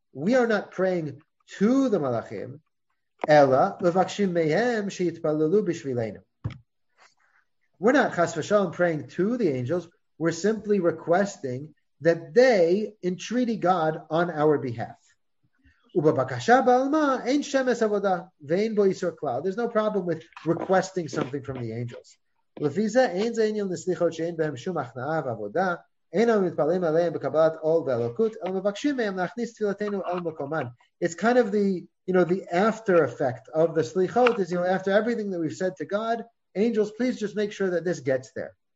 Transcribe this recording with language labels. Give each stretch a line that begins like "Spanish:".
English: We are not praying to the malachim,
Hebrew: ela levakshim mehem sheitpalalu bishvileinu.
English: We're not chas v'shalom praying to the angels. We're simply requesting that they entreaty God on our behalf.
Hebrew: ובבקשה בעלמא אין שמס עבודה ואין בו איסור כלל.
English: There's no problem with requesting something from the angels.
Hebrew: לפי זה אין זה עניין לסליחות שאין בהם שום הכנעה ועבודה, אין הם מתפללים עליהם בקבלת עול ואלוקות, אלא מבקשים מהם להכניס תפילתנו על מקומן.
English: It's kind of the, you know, the after effect of the slichot is, you know, after everything that we've said to God, angels, please just make sure that this gets there.